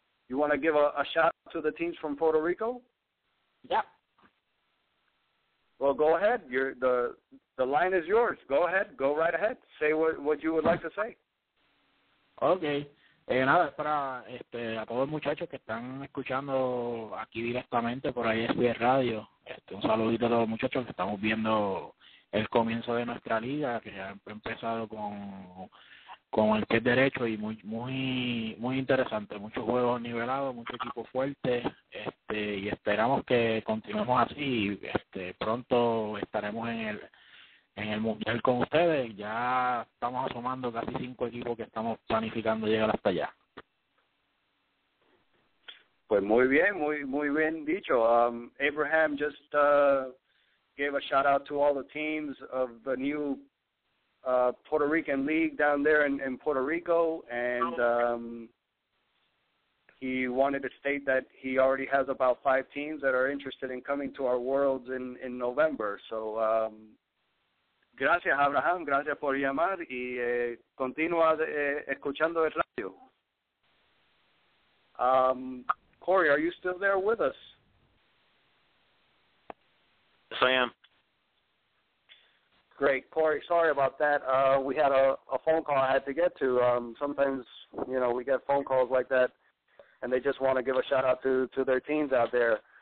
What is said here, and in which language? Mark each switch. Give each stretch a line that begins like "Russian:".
English: You want to give a shout out to the teams from Puerto Rico? Yeah. Well, go ahead. The line is yours. Go ahead. Go right ahead. Say what you would like to say. Okay.
Spanish: Nada, es para a todos los muchachos que están escuchando aquí directamente por ahí de radio. Un saludito a todos los muchachos que estamos viendo el comienzo de nuestra liga, que ya ha empezado con el pie derecho y muy interesante. Muchos juegos nivelados, mucho equipo fuerte, y esperamos que continuemos así. Pronto estaremos en el Mundial con ustedes. Ya estamos asomando casi 5 equipos que estamos planificando llegar hasta allá. Pues muy bien, muy bien dicho.
English: Abraham just gave a shout out to all the teams of the new Puerto Rican League down there in Puerto Rico, and he wanted to state that he already has about 5 teams that are interested in coming to our Worlds in November. So gracias, Abraham.
Spanish: Gracias por llamar y continúa escuchando el radio.
English: Corey, are you still there with us? Yes, I am. Great. Corey, sorry about that. We had a phone call I had to get to. Sometimes, you know, we get phone calls like that, and they just want to give a shout-out to their teams out there.